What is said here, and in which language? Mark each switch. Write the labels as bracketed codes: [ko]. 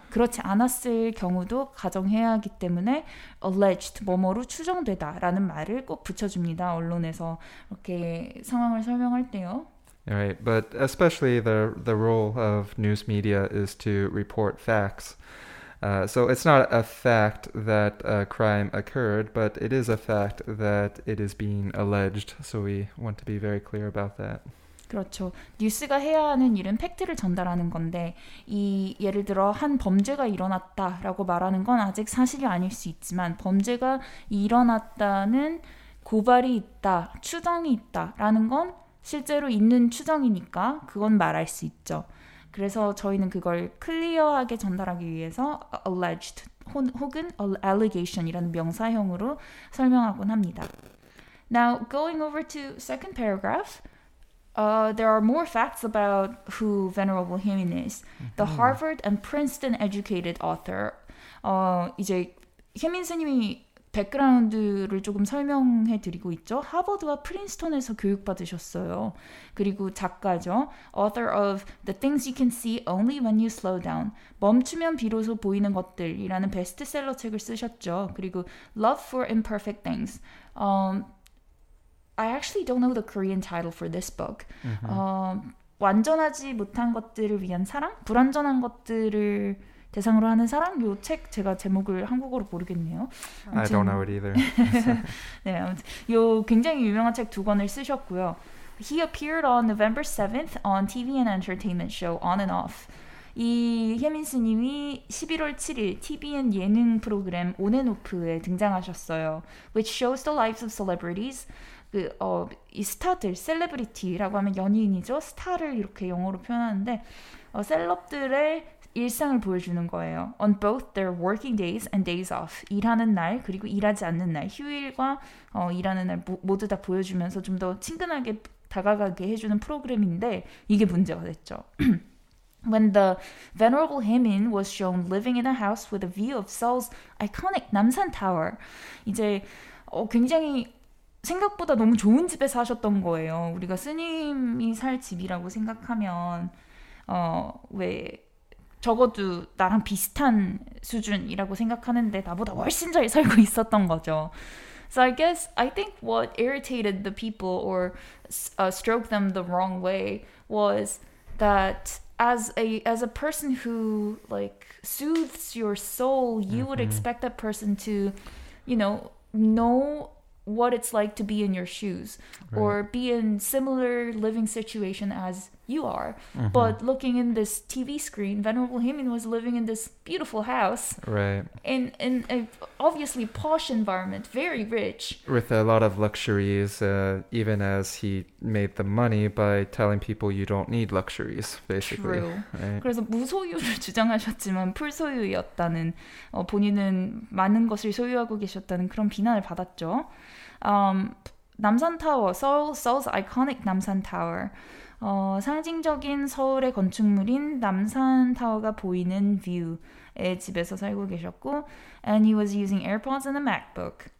[ko] 그렇지 않았을 경우도 가정해야 하기 때문에 alleged, 뭐뭐로 추정되다라는 말을 꼭 붙여줍니다. 언론에서 이렇게 상황을 설명할 때요. [en] Right, but especially the role of news media is to report facts. So it's not a fact that a crime occurred, but it is a fact that it is being alleged. So we want to be very clear about that. [ko] 그렇죠. 뉴스가 해야 하는 일은 팩트를 전달하는 건데 이 예를 들어 한 범죄가 일어났다라고 말하는 건 아직 사실이 아닐 수 있지만 범죄가 일어났다는 고발이 있다, 추정이 있다라는 건 실제로 있는 추정이니까 그건 말할 수 있죠. 그래서 저희는 그걸 클리어하게 전달하기 위해서 alleged 혹은 allegation이라는 명사형으로 설명하곤 합니다. [en] Now, going over to second paragraph, there are more facts about who Venerable Hyemin is. The Harvard and Princeton educated author. [ko] 이제 혜민 스님이 백그라운드를 조금 설명해 드리고 있죠. 하버드와 프린스턴에서 교육받으셨어요. 그리고 작가죠. [en] Author of The Things You Can See Only When You Slow Down. [ko] 멈추면 비로소 보이는 것들이라는 베스트셀러 책을 쓰셨죠. 그리고 [en] Love for Imperfect Things. I actually don't know the Korean title for this book. [ko] 완전하지 못한 것들을 위한 사랑? 불완전한 것들을 대상으로 하는 사랑? 이 책 제가 제목을 한국어로 모르겠네요. 아무튼, [en] I don't know it either. [ko] 네, 아무튼 이 굉장히 유명한 책 두 권을 쓰셨고요. [en] He appeared on November 7th on TV and entertainment show On and Off. [ko] 이 혜민 스님이 11월 7일 TVN 예능 프로그램 On and Off에 등장하셨어요. [en] Which shows the lives of celebrities. [ko] 그, 이 스타들, 셀레브리티라고 하면 연예인이죠. 스타를 이렇게 영어로 표현하는데 셀럽들의 일상을 보여주는 거예요. [en] On both their working days and days off. [ko] 일하는 날 그리고 일하지 않는 날. 휴일과 일하는 날 모두 다 보여주면서 좀 더 친근하게 다가가게 해주는 프로그램인데 이게 문제가 됐죠. [en] When the Venerable Hyemin was shown living in a house with a view of Seoul's iconic Namsan Tower. [ko] 이제 굉장히 생각보다 너무 좋은 집에 사셨던 거예요. 우리가 스님이 살 집이라고 생각하면 왜 적어도 나랑 비슷한 수준이라고 생각하는데 나보다 훨씬 잘 살고 있었던 거죠. [en] So I guess I think what irritated the people or stroke them the wrong way was that as a person who like soothes your soul, you mm-hmm. would expect that person to, you know what it's like to be in your shoes right. or be in similar living situation as you are. Mm-hmm. But looking in this TV screen, Venerable Hyemin was living in this beautiful house. Right. In a obviously posh environment, very rich. With a lot of luxuries, even as he made the money by telling people you don't need luxuries, basically. True. Right. [ko] 그래서 무소유를 주장하셨지만 풀소유였다는, 본인은 많은 것을 소유하고 계셨다는 그런 비난을 받았죠. [en] 남산타워, Seoul's iconic Namsan Tower. [ko] 상징적인 서울의 건축물인 남산타워가 보이는 뷰의 집에서 살고 계셨고 [en] and he was using AirPods and a MacBook.